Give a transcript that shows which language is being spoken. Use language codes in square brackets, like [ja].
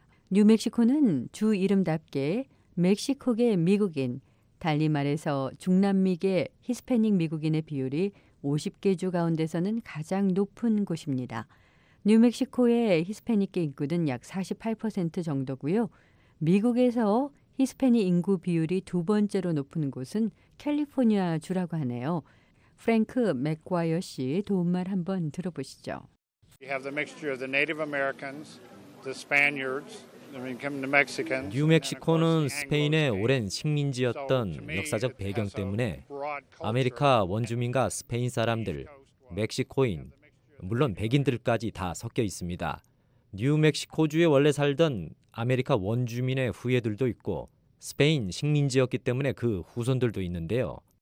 [ko] 뉴멕시코는 주 이름답게 멕시코계 미국인, 달리 말해서 중남미계 히스패닉 미국인의 비율이 50개 주 가운데서는 가장 높은 곳입니다. 뉴멕시코의 히스패닉계 인구는 약 48% 정도고요. 미국에서 히스패닉 인구 비율이 두 번째로 높은 곳은 캘리포니아 주라고 하네요. 프랭크 맥과이어 씨 도움말 한번 들어보시죠. [en] We have the mixture of the Native Americans, the Spaniards, I mean, come to Mexicans. [ko] 뉴멕시코는 스페인의 오랜 식민지였던 역사적 배경 때문에 아메리카 원주민과 스페인 사람들, 멕시코인, 물론 백인들까지 다 섞여 있습니다. 뉴멕시코주에 원래 살던 아메리카 원주민의 후예들도 있고 스페인 식민지였기 때문에 그 후손들도 있는데요.